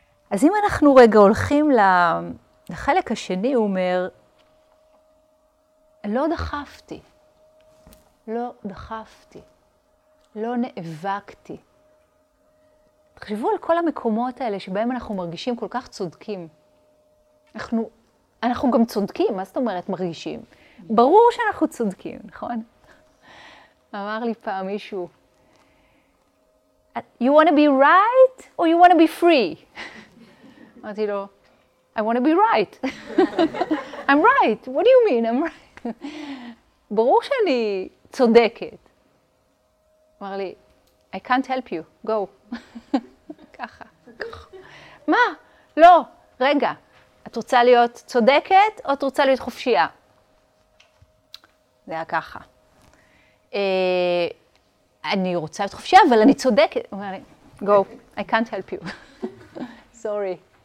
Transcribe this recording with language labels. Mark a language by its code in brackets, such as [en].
[he] אז אם אנחנו רגע הולכים לחלק השני, הוא אומר, לא דחפתי, לא דחפתי, לא נאבקתי. תחשבו על כל המקומות האלה שבהם אנחנו מרגישים כל כך צודקים. אנחנו גם צודקים, מה זאת אומרת מרגישים? ברור שאנחנו צודקים, נכון? אמר לי פעם מישהו, [en] you want to be right or you want to be free? [he] אמרתי לו, [en] I want to be right. I'm right. What do you mean? I'm right. [he] ברור שאני צודקת. אמר לי, [en] I can't help you. Go. [he] ככה. מה? לא. רגע. את רוצה להיות צודקת או את רוצה להיות חופשייה? זה היה ככה. אני רוצה להיות חופשייה, אבל אני צודקת. אמר לי, [en] go. I can't help you. Sorry.